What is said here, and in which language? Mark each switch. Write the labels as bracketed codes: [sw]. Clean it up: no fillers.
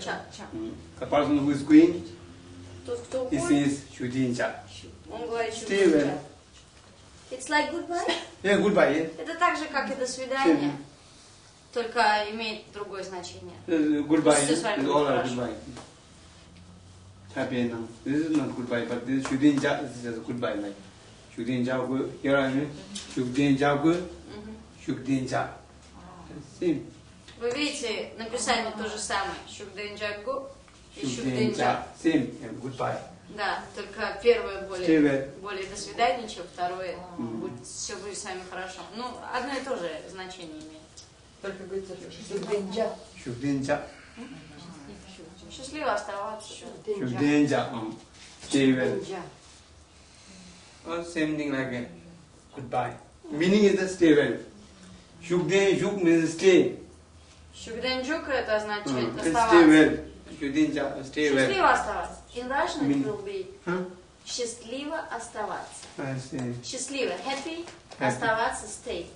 [en] ча. The person who is queen, [ru] тот, кто [en] he says Шукден ча. [ru] Он говорит Шукден ча. [en] It's like goodbye. Yeah, goodbye. Yeah. [ru] Это так же, как и до свидания, yeah. Только имеет другое значение. [en] Goodbye. It's all about goodbye. Happy now. This is not goodbye, but this Шукден ча is just goodbye. Like Шукден ча. Here I mean Шукден ча. Шукден ча. Same. [ru] Вы видите, написание то же самое. [bo] Шукденджагу и Шукденджа. [en] Сим, goodbye. [ru] Да, только первое более до свидания, чем второе. Все будет с вами хорошо. Ну, одно и то же значение имеет. Только говорится [bo] Шукденджа. [ru] Шукденджа. Счастливо оставаться. [en] Шукденджа. Шукденджа. Same thing like goodbye. Meaning is stay well. Шукденджук means stay. [ru] Шукденджук это означает оставаться. [en] Stay well. Шукденджа, stay well. [ru] Счастливо оставаться. [en] In Russian it will be [ru] счастливо оставаться. [en] I see. [ru] Счастливо, happy, оставаться, stay.